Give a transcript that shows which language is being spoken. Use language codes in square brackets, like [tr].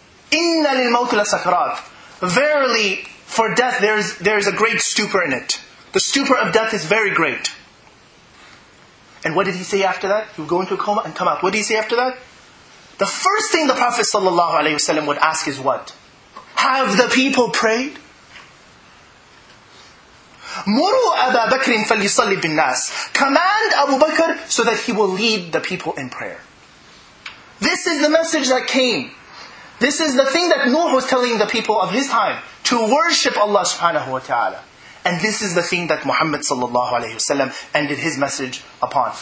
[ar] Inna lil maut la sakrat. [en] Verily, for death there is a great stupor in it. The stupor of death is very great. And what did he say after that? He would go into a coma and come out. What did he say after that? The first thing the Prophet ﷺ would ask is what? Have the people prayed? [ar] مروا أبا بكر فليصلي بالناس. [en] Command Abu Bakr so that he will lead the people in prayer. This is the message that came. This is the thing that Nuh was telling the people of his time, to worship Allah subhanahu wa ta'ala. And this is the thing that Muhammad sallallahu alayhi wa sallam ended his message upon.